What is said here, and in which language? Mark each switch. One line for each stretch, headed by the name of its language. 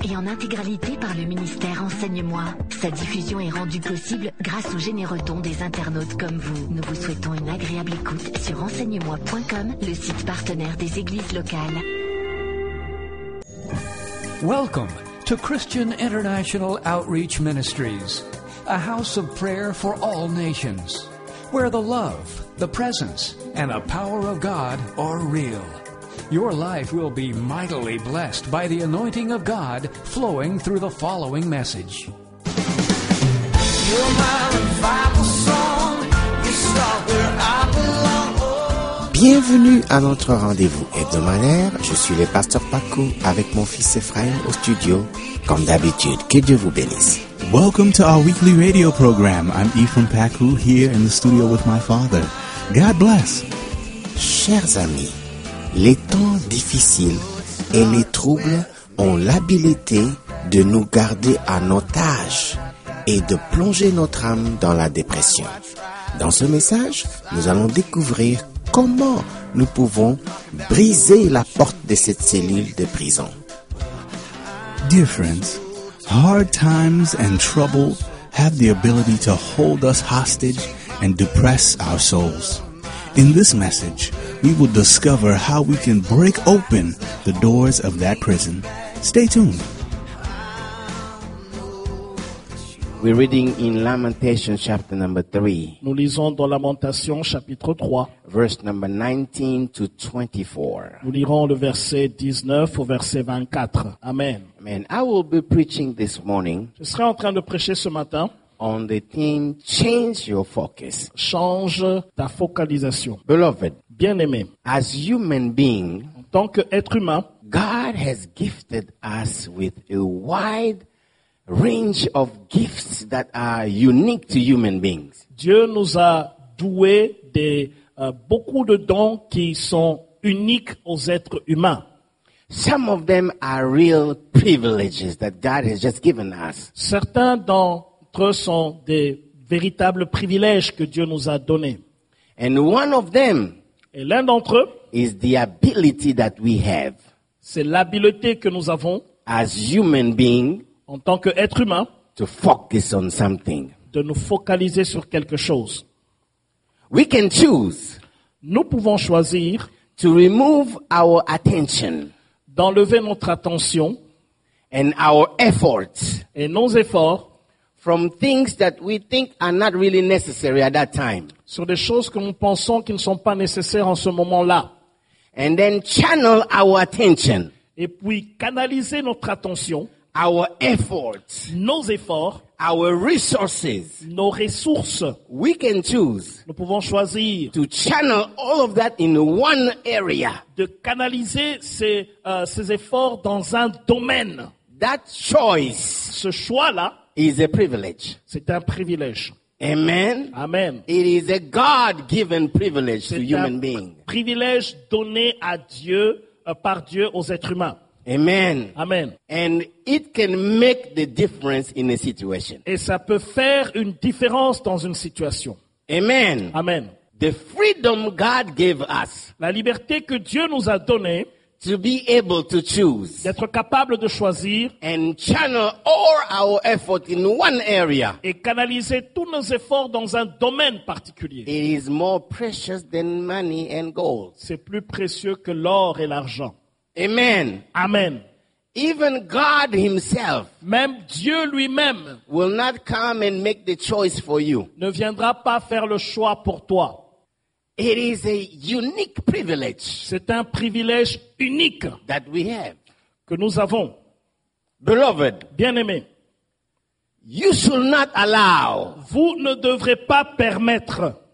French: Et en intégralité par le ministère Enseigne-moi. Sa diffusion est rendue possible grâce aux généreux dons des internautes comme vous. Nous vous souhaitons une agréable écoute sur enseignemoi.com, le site partenaire des églises locales.
English: Welcome to Christian International Outreach Ministries, a house of prayer for all nations, where the love, the presence, and the power of God are real. Your life will be mightily blessed by the anointing of God flowing through the following message. You're my revival song. You start where I belong.
French: Bienvenue à notre rendez-vous hebdomadaire. Je suis le pasteur Paco avec mon fils Ephraim au studio. Comme d'habitude, que Dieu vous bénisse.
English: Welcome to our weekly radio program. I'm Ephraim Paco here in the studio with my father. God bless.
French: Chers amis, les temps difficiles et les troubles ont l'habileté de nous garder en otage et de plonger notre âme dans la dépression. Dans ce message, nous allons découvrir comment nous pouvons briser la porte de cette cellule de prison.
English: Dear friends, hard times and trouble have the ability to hold us hostage and depress our souls. In this message, we will discover how we can break open the doors of that prison. Stay tuned. We're reading in Lamentations chapter number 3.
French: Nous lisons dans Lamentations chapitre 3,
English: verse number 19 to 24.
French: Nous lirons le verset 19 au verset 24. Amen.
English: Amen. I will be preaching this morning.
French: Je serai en train de prêcher ce matin.
English: On the theme, change your focus.
French: Change ta focalisation.
English: Beloved,
French: bien-aimé,
English: as human being,
French: en tant qu'être humain,
English: God has gifted us with a wide range of gifts that are unique to human beings.
French: Dieu nous a doué de beaucoup de dons qui sont uniques aux êtres humains.
English: Some of them are real privileges that God has just given us.
French: Certains dons sont des véritables privilèges que Dieu nous a donnés.
English: And one of them,
French: et l'un d'entre eux,
English: is the ability that we have.
French: C'est l'habileté que nous avons,
English: as human being,
French: en tant qu'être humain,
English: to focus on something,
French: de nous focaliser sur quelque chose.
English: We can choose,
French: nous pouvons choisir,
English: to remove our attention,
French: d'enlever notre attention,
English: and our efforts,
French: et nos efforts,
English: from things that we think are not really necessary at that time.
French: Sur des choses que nous pensons qui ne sont pas nécessaires en ce moment-là.
English: And then channel our attention.
French: Et puis canaliser notre attention.
English: Our efforts.
French: Nos efforts.
English: Our resources.
French: Nos ressources.
English: We can choose.
French: Nous pouvons choisir.
English: To channel all of that in one area.
French: De canaliser ces efforts dans un domaine.
English: That choice.
French: Ce choix-là.
English: Is a privilege.
French: C'est un privilège.
English: Amen.
French: Amen.
English: It is a God-given privilege
French: c'est
English: to human being.
French: C'est un privilège donné à Dieu par Dieu aux êtres humains.
English: Amen.
French: Amen.
English: And it can make the difference in a situation.
French: Et ça peut faire une différence dans une situation.
English: Amen.
French: Amen.
English: The freedom God gave us.
French: La liberté que Dieu nous a donnée.
English: To be able to choose,
French: d'être capable de choisir,
English: and channel all our effort in one area,
French: et canaliser tous nos efforts dans un domaine particulier.
English: It is more precious than money and gold.
French: C'est plus précieux que l'or et l'argent.
English: Amen.
French: Amen.
English: Even God Himself,
French: même Dieu lui-même,
English: will not come and make the choice for you.
French: Ne viendra pas faire le choix pour toi.
English: It is a unique privilege.
French: C'est un privilège unique
English: that we have.
French: Que nous avons.
English: Beloved,
French: bien-aimé,
English: you should not allow.
French: Vous ne devrez pas permettre